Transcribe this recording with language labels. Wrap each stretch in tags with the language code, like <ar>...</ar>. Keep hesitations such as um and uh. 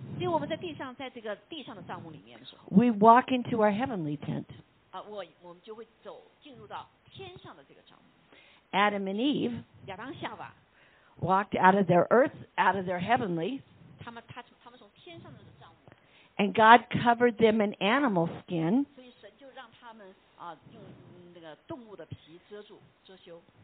<zh>因为我们在地上，在这个地上的帐幕里面的时</zh> <en>候，we walk into our heavenly tent。</en> <zh>啊，我我们就会走进入到天上的这个帐幕。</zh> <en>Adam and Eve walked out of their earth out of their heavenly。</en> <zh>他们他他们从天上的帐幕。</zh> <en>And God covered them in animal skin。</en> <zh>所以神就让他们啊用那个动物的皮遮住遮羞。</zh>